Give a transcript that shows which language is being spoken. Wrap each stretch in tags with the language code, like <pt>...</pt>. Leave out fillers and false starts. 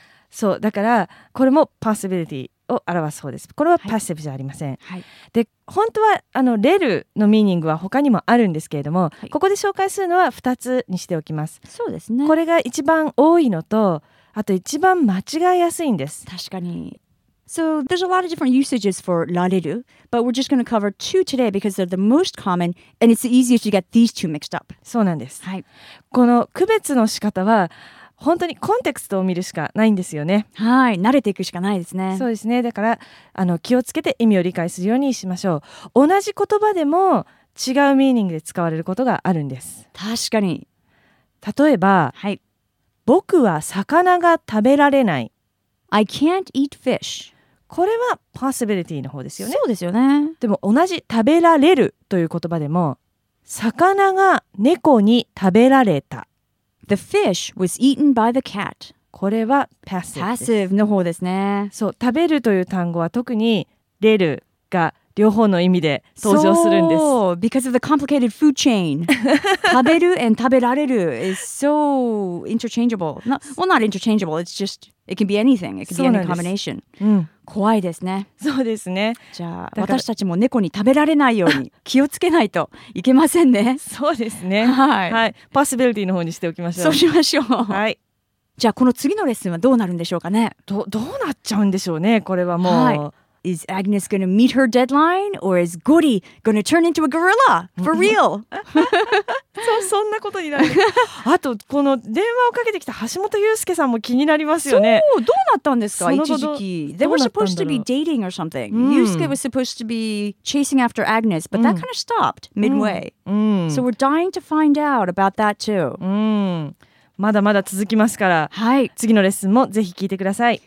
<ja>そう、だからこれもポシビリティを表す方です。これはパッシブじゃありません。はいはい、で、本当はレルのミーニングは他にもあるんですけれども、はい、ここで紹介するのは2つにしておきます。そうですね。これが一番多いのと、あと一番間違いやすいんです。確かに。</ja> <en>So there's a lot of different usages for られる, but we're just going to cover two today because they're the most common and it's easier to get these two mixed up.</en> <ja>そうなんです。はい。この区別の仕方は本当にコンテクストを見るしかないんですよね。はい。慣れていくしかないですね。そうですね。だから気をつけて意味を理解するようにしましょう。同じ言葉でも違うミーニングで使われることがあるんです。確かに。例えば、はい。僕は魚が食べられない。</ja> <en>I can't eat fish.</en> <ja>これは possibility の方ですよね。そうですよね。でも同じ食べられるという言葉でも、魚が猫に食べられた。</ja> <en>The fish was eaten by the cat.</en> <ja>これは passive です。 passive の方ですね。そう、食べるという単語は特にれるが両方の意味で登場するんです。そう、</ja> <en>because of the complicated food chain. 食べる and 食べられる is so interchangeable. Not interchangeable, it's just, it can be anything. It can be any combination.</en> <ja>うん、怖いですね。そうですね。じゃあ、私たちも猫に食べられないように気をつけないといけませんね。そうですね。はい。はい。possibility の方にしておきましょう。そうしましょう。はい。じゃあ、この次のレッスンはどうなるんでしょうかね。どうなっちゃうんでしょうね、これはもう。はい。</ja> <en>Is Agnes going to meet her deadline or is Gori going to turn into a gorilla for real?</en> <ja>そんなことになる。あとこの電話をかけてきた橋本裕介さんも気になりますよね。そう、どうなったんですか？一時期。</ja> <en>They were supposed to be dating or something. Yusuke was supposed to be chasing after Agnes, but that kind of stopped midway. So we're dying to find out about that too.</en> <ja>まだまだ続きますから、はい、次のレッスンもぜひ聞いてください。</ja>